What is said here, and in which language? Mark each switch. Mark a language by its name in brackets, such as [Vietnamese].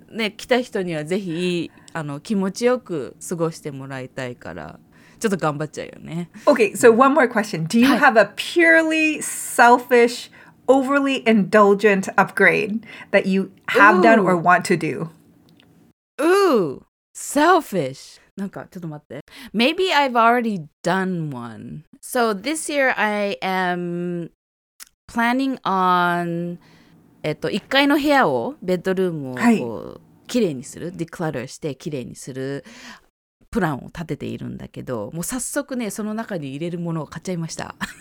[Japanese] ね、来た人にはぜひ、あの、気持ちよく過ごしてもらいたいから、ちょっと頑張っちゃうよね。 [English] Okay, so one more question. Do you have a purely selfish... overly indulgent upgrade that you have done or want to do? Ooh, selfish. [Japanese] なんかちょっと待って。 [English] Maybe I've already done one. So this year I am planning on [Japanese] 1階の部屋を、ベッドルームをこう、きれいにする、declutter してきれいにするプランを立てているんだけど、もう早速ね、その中に入れるものを買っちゃいました。